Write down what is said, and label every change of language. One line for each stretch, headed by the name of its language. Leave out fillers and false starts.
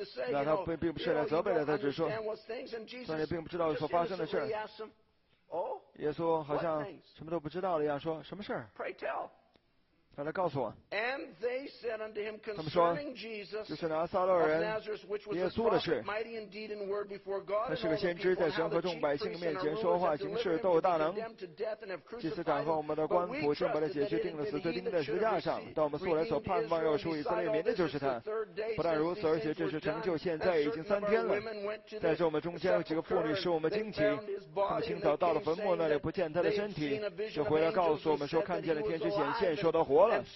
Chinese: 那他并不是来责备的，他只说，但也并不知道所发生的事。耶稣好像什么都不知道的一样说，什么事儿？让他告诉我。
English: And they said unto him concerning Jesus of Nazareth, which was a prophet, mighty in deed and word before God.
Chinese: 他是个先知，在神和众百姓面前说话，行事都有大能。祭司长和我们的官仆正把他解决，定了死罪，钉在十字架上。但我们素来所盼望要出以色列民的就是他。不但如此，而且这是成就，现在已经三天了。但是我们中间有几个妇女使我们惊奇，他们清早到了坟墓那里，不见他的身体，就回来告诉我们说看见了天使显现，说他活了。